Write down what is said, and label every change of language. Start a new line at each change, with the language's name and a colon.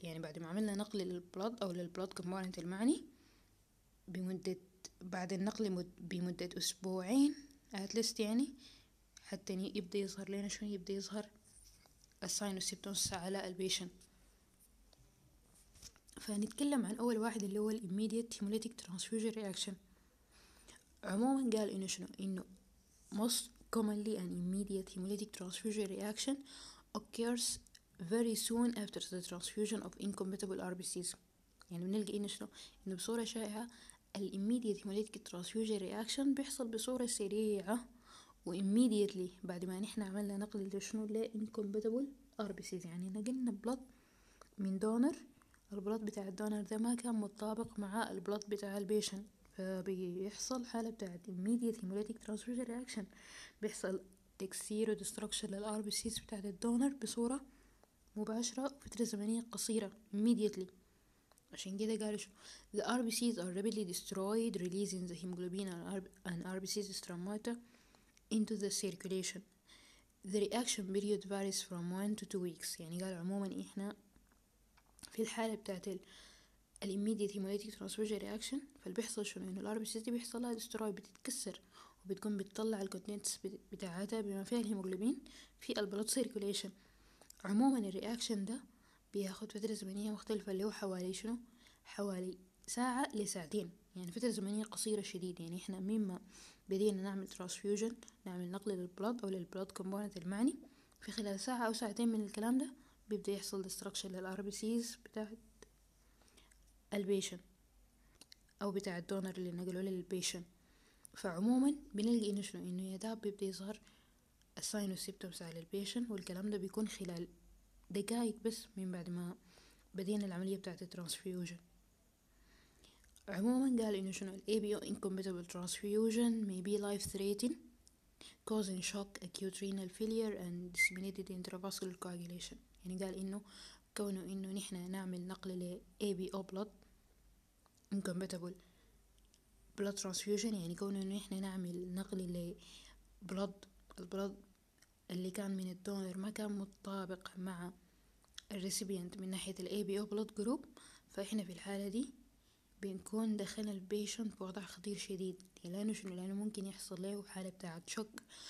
Arabic: يعني بعد ما عملنا نقل للبلود او للبلود كومبوننت المعني بمدة بعد النقل بمدة اسبوعين اتليست, يعني حتى يبدأ يظهر لنا شنو؟ يبدأ يظهر الساين والسيبتومس على البيشن. فنتكلم عن أول واحد اللي هو الimmediate hemolytic transfusion reaction. عموما قال إنه شنو؟ إنه
English: most commonly an immediate hemolytic transfusion reaction occurs very soon after the transfusion of incompatible RBCs.
Arabic: يعني بنلقي إنه شنو؟ إنه بصورة شائعة الimmediate hemolytic transfusion reaction بيحصل بصورة سريعة وimmediately بعد ما نحن عملنا نقل لشنو؟ لا incompatible RBCs. يعني نقلنا blood من دونر, البلد بتاع الدونر ده ما كان مطابق مع البلد بتاع البيشن, فبيحصل حالة بتاعت immediate hemolytic transfusion reaction, بيحصل تكسير وdestruction للRBCs بتاعت الدونر بصورة مباشرة وفترة زمنية قصيرة immediately. عشان كده قال شنو؟
English: the RBCs are rapidly destroyed releasing the hemoglobin and RBCs stromata into the circulation. The reaction period varies from 1 to 2 weeks.
Arabic: يعني قال عموما إحنا في الحالة بتاعت ال immediate hemolytic transfusion reaction فالبيحصل شنو؟ إنه RBCs دي بيحصلها destroy, بتتكسر وبتكون بتطلع الكونتينتس بتاعتها بما فيها الهيموغلوبين في البلوت circulation. عموما الرياكشن ده بياخد فترة زمنية مختلفة اللي هو حوالي شنو؟ حوالي ساعة لساعتين. يعني فترة زمنية قصيرة شديد. يعني احنا مما بدينا نعمل transfusion نعمل نقل للبلود او للبلود كومبوننت المعني, في خلال ساعة او ساعتين من الكلام ده بيبدأ يحصل destruction للRBCs بتاعت البيشن او بتاعت الدونر اللي نقلوا للبيشن. فعموما بنلقي انه شنو؟ انه يداب بيبدأ يظهر الساين والسيبتومس على البيشن, والكلام ده بيكون خلال دقائق بس من بعد ما بدينا العملية بتاعت الترانسفيوجن. عموما قال انه شنو؟ الابيو
English: incompatible transfusion may be life threatening causing shock acute renal failure and disseminated intravascular coagulation.
Arabic: يعني قال انه كونه انه نحنا نعمل نقل لابيو blood incompatible blood transfusion, يعني كونه انه نحنا نعمل نقل لبلود البلود اللي كان من الدونر ما كان مطابق مع الريسيبينت من ناحية الـ ABO blood group, فإحنا في الحالة دي بنكون دخلنا البيشنت بوضع خطير شديد. لأنه شنو؟ لأنه ممكن يحصل له حالة بتاعة شوك